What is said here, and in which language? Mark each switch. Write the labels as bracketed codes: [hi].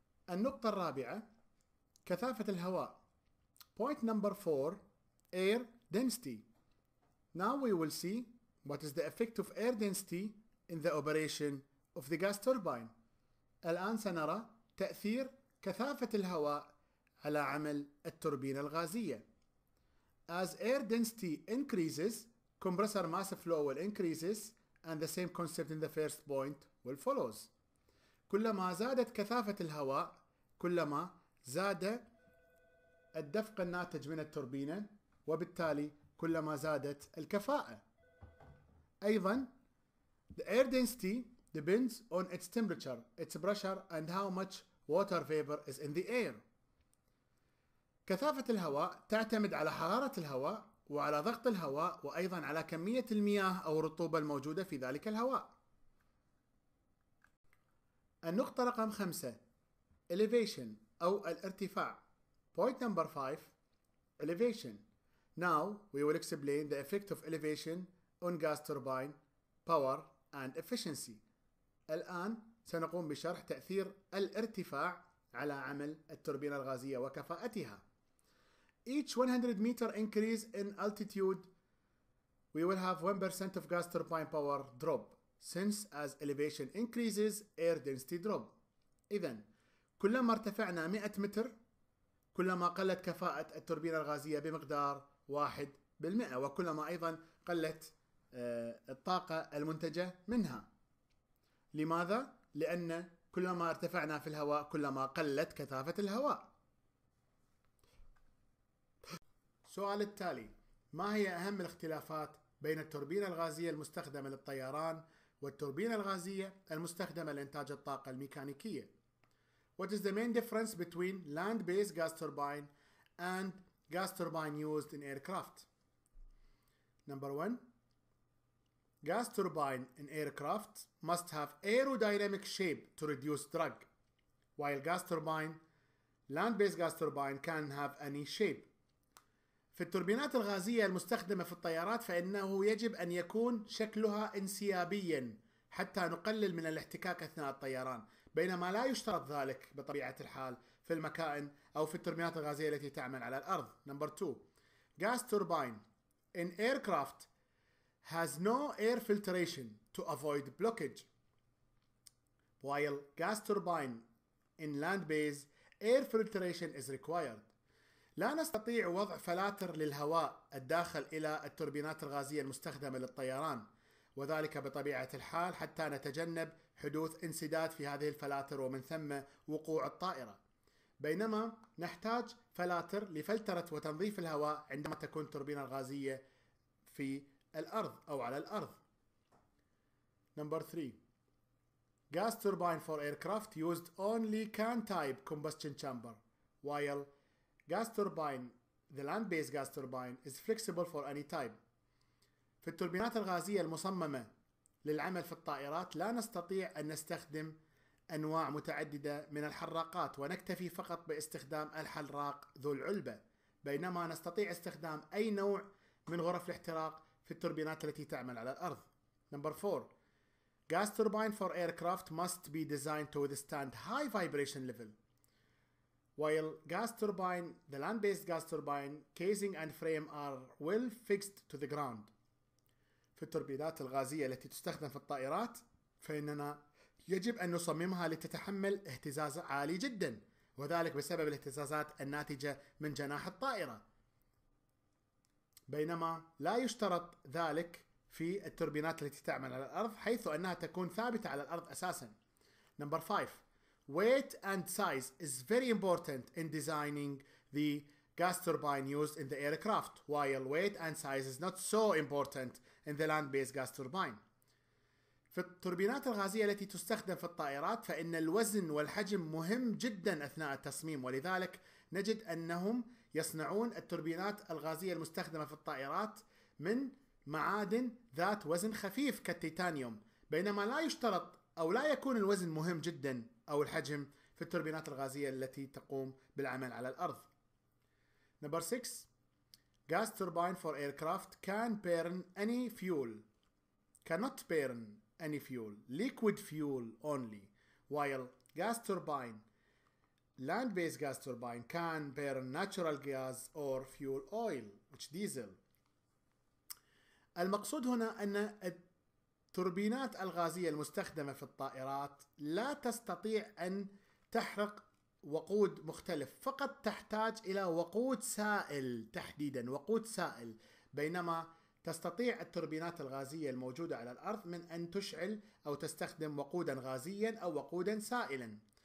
[ar] النقطة الرابعة كثافة الهواء. [en] Point number 4 air density. Now we will see what is the effect of air density in the operation of the gas turbine. [ar] الآن سنرى تأثير كثافة الهواء على عمل التوربينة الغازية. [en] As air density increases, compressor mass flow will increases and the same concept in the first point will follows. [ar] كلما زادت كثافة الهواء كلما زاد الدفق الناتج من التوربينة وبالتالي كلما زادت الكفاءة. أيضا [en] the air density depends on its temperature, its pressure and how much water vapor is in the air. [ar] كثافة الهواء تعتمد على حرارة الهواء وعلى ضغط الهواء وأيضا على كمية المياه أو الرطوبة الموجودة في ذلك الهواء. النقطة رقم 5 elevation أو الارتفاع. [en] Point number 5 elevation. Now we will explain the effect of elevation on gas turbine power and efficiency. [ar] الآن سنقوم بشرح تأثير الارتفاع على عمل التوربينة الغازية وكفاءتها. [en] Each 100 meter increase in altitude, we will have 1% of gas turbine power drop, since as elevation increases, air density drop. [ar] إذن كلما ارتفعنا 100 متر كلما قلت كفاءة التوربينة الغازية بمقدار 1%، وكلما أيضا قلت الطاقة المنتجة منها. لماذا؟ لأن كلما ارتفعنا في الهواء كلما قلت كثافة الهواء. سؤال التالي، ما هي أهم الاختلافات بين التوربين الغازية المستخدمة للطيران والتوربين الغازية المستخدمة لإنتاج الطاقة الميكانيكية. [en] What is the main difference between land-based gas turbine and gas turbine used in aircraft? Number one, gas turbine in aircraft must have aerodynamic shape to reduce drag, while gas turbine, land-based gas turbine can have any shape. [ar] في التوربينات الغازية المستخدمة في الطيارات فإنه يجب أن يكون شكلها انسيابياً حتى نقلل من الاحتكاك أثناء الطيران، بينما لا يشترط ذلك بطبيعة الحال في المكائن أو في التوربينات الغازية التي تعمل على الأرض. [en] Number two, gas turbine in aircraft has no air filtration to avoid blockage, while gas turbine in land-based air filtration is required. [ar] لا نستطيع وضع فلاتر للهواء الداخل إلى التوربينات الغازية المستخدمة للطيران، وذلك بطبيعة الحال حتى نتجنب حدوث انسداد في هذه الفلاتر ومن ثم وقوع الطائرة، بينما نحتاج فلاتر لفلترة وتنظيف الهواء عندما تكون التوربينة الغازية في الأرض أو على الأرض. [en] Number 3. Gas turbine for aircraft used only can type combustion chamber, while gas turbine, the land-based gas turbine, is flexible for any type. [ar] في التوربينات الغازية المصممة للعمل في الطائرات لا نستطيع أن نستخدم أنواع متعددة من الحراقات ونكتفي فقط باستخدام الحراق ذو العلبة، بينما نستطيع استخدام أي نوع من غرف الاحتراق في التوربينات التي تعمل على الأرض. [en] Number 4. Gas turbine for aircraft must be designed to withstand high vibration level, while gas turbine, the land-based gas turbine, casing and frame are well fixed to the ground. [ar] في التوربينات الغازية التي تستخدم في الطائرات فإننا يجب أن نصممها لتتحمل اهتزاز عالي جدا، وذلك بسبب الاهتزازات الناتجة من جناح الطائرة، بينما لا يشترط ذلك في التوربينات التي تعمل على الأرض حيث أنها تكون ثابتة على الأرض أساسا. [en] Number 5. Weight and size is very important in designing the gas turbine used in the aircraft, while weight and size is not so important in the land-based gas turbine. [ar] في التوربينات الغازية التي تستخدم في الطائرات فإن الوزن والحجم مهم جدا أثناء التصميم، ولذلك نجد أنهم يصنعون التوربينات الغازية المستخدمة في الطائرات من معادن ذات وزن خفيف كالتيتانيوم، بينما لا يشترط أو لا يكون الوزن مهم جدا أو الحجم في التوربينات الغازية التي تقوم بالعمل على الأرض. [en] Number 6. Gas turbine for aircraft can burn any fuel. Cannot burn any fuel. Liquid fuel only. While gas turbine, land-based gas turbine, can burn natural gas or fuel oil, which diesel. [ar] المقصود هنا أن التوربينات الغازية المستخدمة في الطائرات لا تستطيع أن تحرق وقود مختلف، فقط تحتاج إلى وقود سائل تحديدا، وقود سائل، بينما تستطيع التوربينات الغازية الموجودة على الأرض من أن تشعل أو تستخدم وقودا غازيا أو وقودا سائلا.